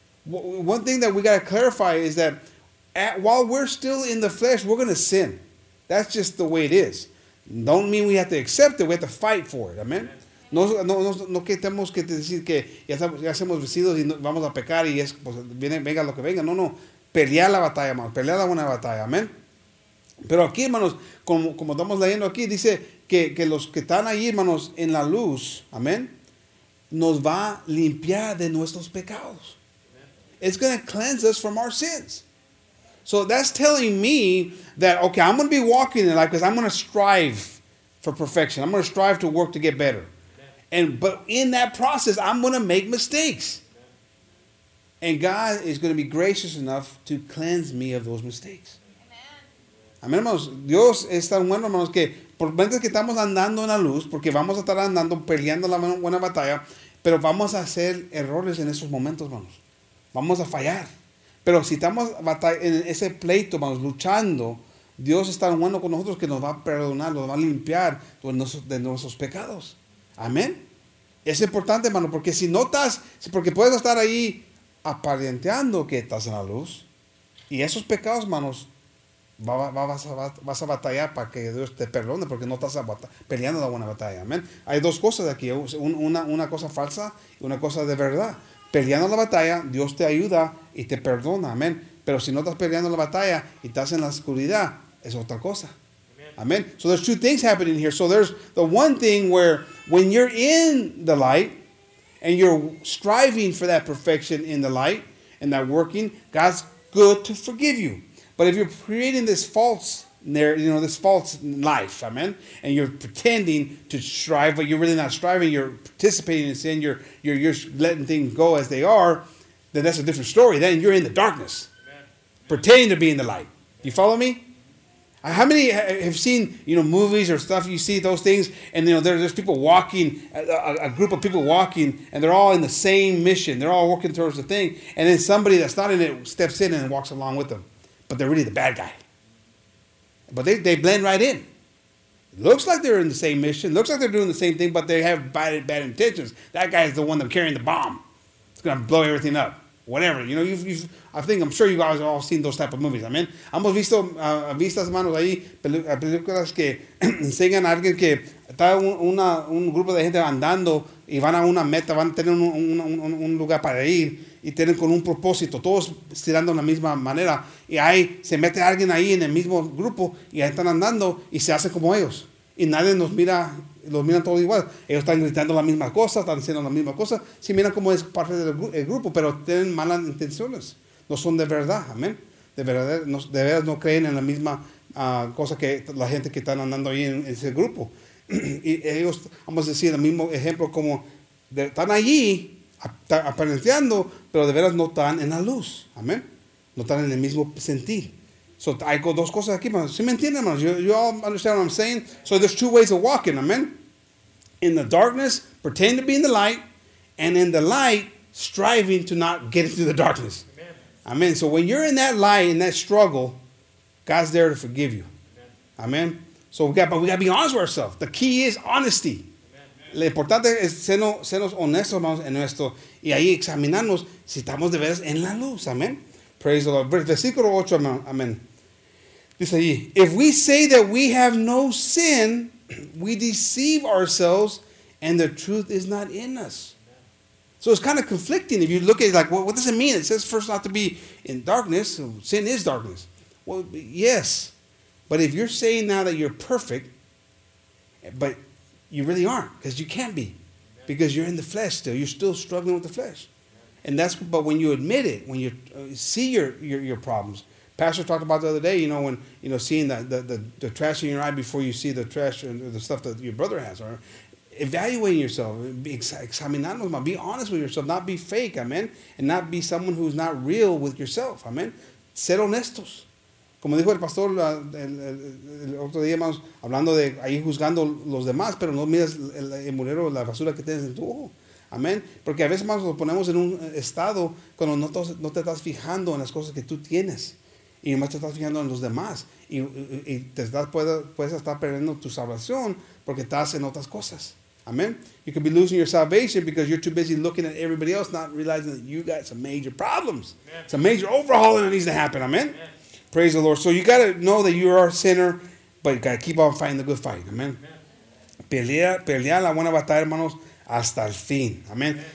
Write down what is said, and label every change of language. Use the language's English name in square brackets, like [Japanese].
[English] One thing that we got to clarify is that while we're still in the flesh, we're going to sin. That's just the way it is. Don't mean we have to accept it. We have to fight for it. Amen. [Spanish] No que tenemos que decir que ya somos vencidos y vamos a pecar y es pues viene venga lo que venga. No. Pelear la batalla, hermanos. Pelear la buena batalla. Amen. Pero aquí, hermanos, como estamos leyendo aquí, dice que los que están ahí, hermanos, en la luz, amen, nos va a limpiar de nuestros pecados. [English] It's going to cleanse us from our sins. So that's telling me that, okay, I'm going to be walking in life because I'm going to strive for perfection. I'm going to strive to work to get better. And but in that process, I'm going to make mistakes. And God is going to be gracious enough to cleanse me of those mistakes. [Spanish] Amen. Amén, hermanos. Dios es tan bueno, hermanos, que por mientras que estamos andando en la luz, porque vamos a estar andando, peleando la buena batalla, pero vamos a hacer errores en esos momentos, hermanos. Vamos a fallar. Pero si estamos en ese pleito, vamos luchando, Dios está bueno con nosotros que nos va a perdonar, nos va a limpiar de nuestros pecados. Amén. Es importante, hermano, porque si notas, porque puedes estar ahí aparenteando que estás en la luz, y esos pecados, hermanos, vas a batallar para que Dios te perdone, porque no estás peleando la buena batalla. Amén. Hay dos cosas aquí, una cosa falsa y una cosa de verdad. Peleando la batalla, Dios te ayuda y te perdona. Amén. Pero si no estás peleando la batalla y estás en la oscuridad, es otra cosa. [English] Amén. So there's two things happening here. So there's the one thing where when you're in the light and you're striving for that perfection in the light and that working, God's good to forgive you. But if you're creating this false, you know, this false life, amen, and you're pretending to strive, but you're really not striving, you're participating in sin, you're letting things go as they are, then that's a different story. Then you're in the darkness. Amen. Pretending to be in the light. You follow me? How many have seen, you know, movies or stuff, you see those things, and, you know, there's people walking, a group of people walking, and they're all in the same mission. They're all working towards the thing, and then somebody that's not in it steps in and walks along with them. But they're really the bad guy. But they blend right in. Looks like they're in the same mission. Looks like they're doing the same thing, but they have bad intentions. That guy is the one that's carrying the bomb. It's going to blow everything up. Whatever. You know, I'm sure you guys have all seen those type of movies. Amen. [Spanish] Hemos visto, vistas manos ahí, películas que enseñan a alguien que está un grupo de gente andando y van a una meta, van a tener un lugar para ir. y tienen con un propósito, todos estirando de la misma manera, y ahí se mete alguien ahí en el mismo grupo y ahí están andando y se hace como ellos. Y nadie nos mira, los miran todos igual. Ellos están gritando la misma cosa, están haciendo la misma cosa. Sí, miran cómo es parte del grupo, pero tienen malas intenciones. No son de verdad, amén. De verdad no creen en la misma cosa que la gente que están andando ahí en ese grupo. Y ellos, vamos a decir, el mismo ejemplo, como de, están allí aparenteando, pero de veras no están en la luz. Amén. No están en el mismo sentir. So, hay dos cosas aquí, hermanos. ¿Sí me entienden, hermanos? [English] You all understand what I'm saying? So there's two ways of walking, amen. In the darkness, pretend to be in the light, and in the light, striving to not get into the darkness. Amen. So when you're in that light, in that struggle, God's there to forgive you. Amen. So we got to be honest with ourselves. The key is honesty. [Spanish] Lo importante es sernos honestos, hermanos, en esto, y ahí examinarnos si estamos de veras en la luz. [English] Amen. Praise the Lord. [Spanish] Versículo 8, [English] amen. [Spanish] Dice allí, [English] if we say that we have no sin, we deceive ourselves and the truth is not in us. So it's kind of conflicting. If you look at it like, well, what does it mean? It says first not to be in darkness. Sin is darkness. Well, yes. But if you're saying now that you're perfect, but you really aren't, because you can't be. Because you're in the flesh still. You're still struggling with the flesh. And that's, but when you admit it, when you see your problems. Pastor talked about the other day, you know, when, you know, seeing the trash in your eye before you see the trash and the stuff that your brother has. Or evaluating yourself, be honest with yourself, not be fake, amen. And not be someone who's not real with yourself, amen. [Spanish] Ser honestos. Como dijo el pastor el otro día, hermanos, hablando de ahí juzgando los demás, pero no miras el murero, la basura que tienes en tu ojo. Amén. Porque a veces más nos ponemos en un estado cuando no te estás fijando en las cosas que tú tienes. Y más te estás fijando en los demás. Y te estás, puedes estar perdiendo tu salvación porque estás en otras cosas. Amén. [English] You could be losing your salvation because you're too busy looking at everybody else, not realizing that you got some major problems. Amen. Some major overhauling that needs to happen. Amén. Praise the Lord. So you got to know that you are a sinner, but you got to keep on fighting the good fight. [Spanish] Amén. Pelea la buena batalla, hermanos. Hasta el fin. Amén.